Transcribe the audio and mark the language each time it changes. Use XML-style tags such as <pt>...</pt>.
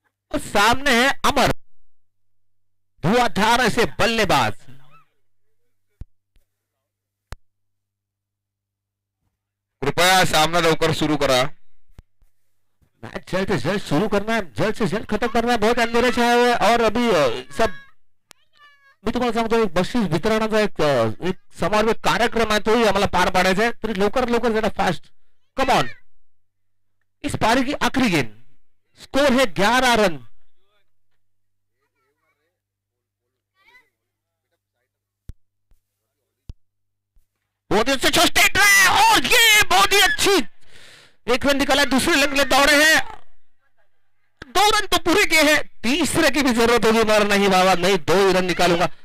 <hi>और सामने है अमर, धुआंधार से बल्लेबाज।</hi> <mr>कृपया सामना लौकर शुरू करा।</mr> <hi>मैच जल्द से जल्द शुरू करना है, जल्द से जल्द खत्म करना है, बहुत अंधेरे छाए हुए। और अभी सब</hi> <mr>मी तुम्हाला सांगतो, एक बक्षीस वितरणाचा एक समारोह कार्यक्रम आहे, तोही आम्हाला पार पाडायचा आहे। तरी लवकर लवकर जरा</mr> <en>Fast come on.</en> <hi>इस पारी की आखरी गेंद, स्कोर है 11 रन। बहुत ही अच्छा स्टेट रहे और ये बहुत ही अच्छी, एक रन निकाला, दूसरे लेग में दौड़े हैं, 2 रन तो पूरे किए हैं, तीसरे की भी जरूरत होगी मगर नहीं बाबा, नहीं 2 ही रन निकालूंगा।</hi>